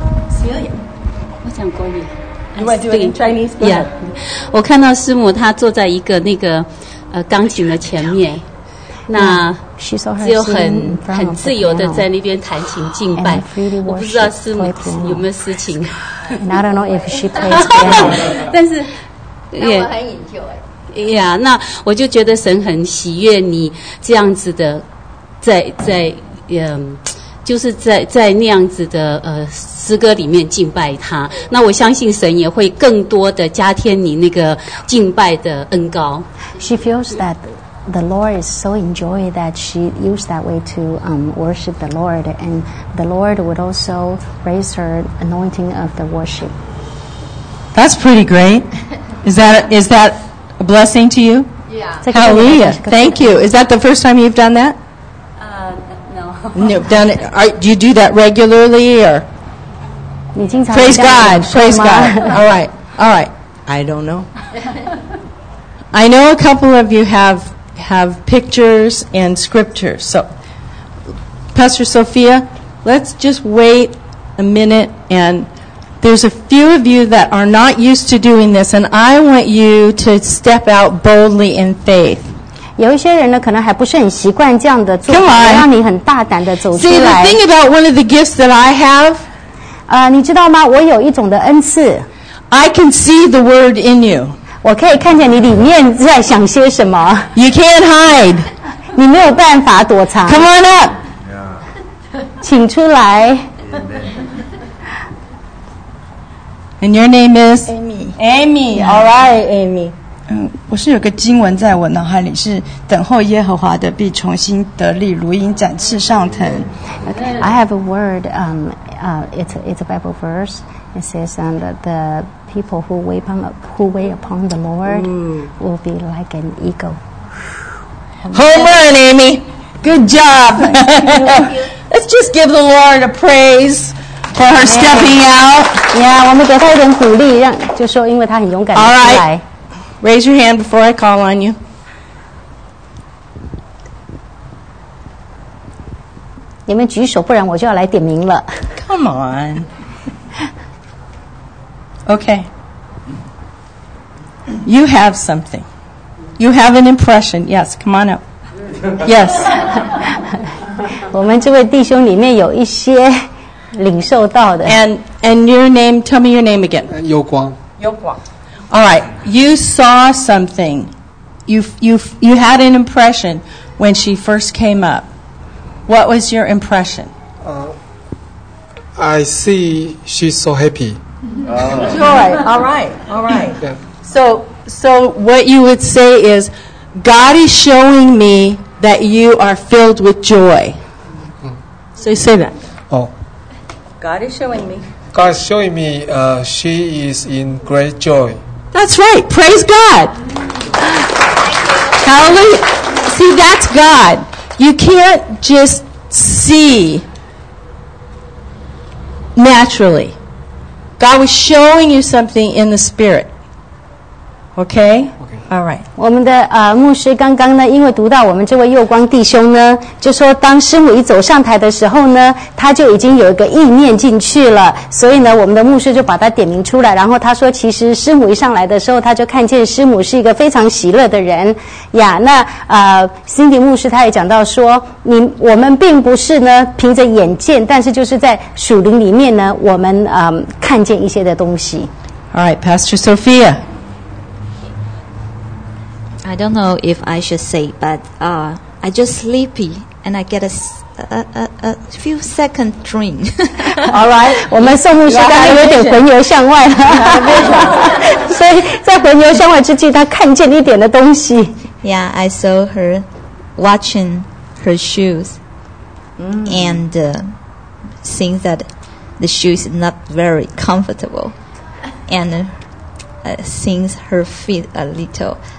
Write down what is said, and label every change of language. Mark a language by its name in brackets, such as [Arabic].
[Chinese] Celia. 我讲国语。 [English] You want to do it in Chinese? Yeah. [Chinese] 我看到师母她坐在一个那个钢琴的前面。那只有很自由的在那边弹琴敬拜。我不知道师母有没有事情。 [English] And I don't know if she plays piano. [Chinese] 但是那我很enjoy。 Yeah, 那我就觉得神很喜悦你这样子的在就是在那样子的诗歌里面敬拜他。那我相信神也会更多的加添你那个敬拜的恩膏。 [English] She feels that the Lord is so enjoyed that she used that way to worship the Lord, and the Lord would also raise her anointing of the worship. That's pretty great. Is that a blessing to you? Yeah. Hallelujah. Thank you. Is that the first time you've done that? No. No, done it. Do you do that regularly or? Praise God. Praise God. All right. I don't know. I know a couple of you have pictures and scriptures. So, Pastor Sophia, let's just wait a minute and... There's a few of you that are not used to doing this, and I want you to step out boldly in faith. [Chinese] 有一些人呢，可能还不是很习惯这样的做法，让你很大胆的走出来。 [English] See the thing about one of the gifts that I have. [Chinese] 你知道吗？我有一种的恩赐。 [English] I can see the word in you. [Chinese] 我可以看见你里面在想些什么。 [English] You can't hide. [Chinese] 你没有办法躲藏。 [English] Come on up. [Chinese] Yeah. 请出来。 [English] And your name is Amy. Amy,、yeah. All right, Amy. [Chinese] 我是有个经文在我脑海里，是等候耶和华的必重新得力，如鹰展翅上腾。 [English] Okay, I have a word. It's a Bible verse, It says that the people who wait upon the Lord will be like an eagle. Home run, Amy. Good job. Let's just give the Lord a praise for her stepping out. [Chinese] Yeah, 我们给她一点鼓励，让就说因为她很勇敢的出来。 [English] All right. Raise your hand before I call on you. [Chinese] You 们举手，不然我就要来点名了。 [English] Come on. Okay. You have something. You have an impression. Yes, come on up. Yes. [Chinese] 我们这位弟兄里面有一些领受到的。 [English] And your name, tell me your name again. [Chinese] 有光。 [English] 有光。All right. You saw something. You had an impression when she first came up. What was your impression? I see she's so happy. Joy. All right. Yeah. So what you would say is, God is showing me that you are filled with joy. So you say that. Oh. God is showing me she is in great joy. That's right. Praise God. Hallelujah. See, that's God. You can't just see naturally. God was showing you something in the spirit. Okay? Okay. All right. [Chinese] 我们的牧师刚刚呢，因为读到我们这位佑光弟兄呢，就说当师母一走上台的时候呢，他就已经有一个意念进去了，所以呢，我们的牧师就把他点名出来，然后他说，其实师母一上来的时候，他就看见师母是一个非常喜乐的人呀。那Cindy 牧师他也讲到说，我们并不是呢凭着眼见，但是就是在属灵里面呢，我们看见一些的东西。 [English] All right, Pastor Sophia. I don't know if I should say, but I just sleepy and I get a few second dream. All right. [Chinese] 我们宋牧师刚才有点魂游向外了。所以在魂游向外之际他看见一点的东西。 [English] Yeah, I saw her watching her shoes and seeing that the shoe is not very comfortable and seeing her feet a little...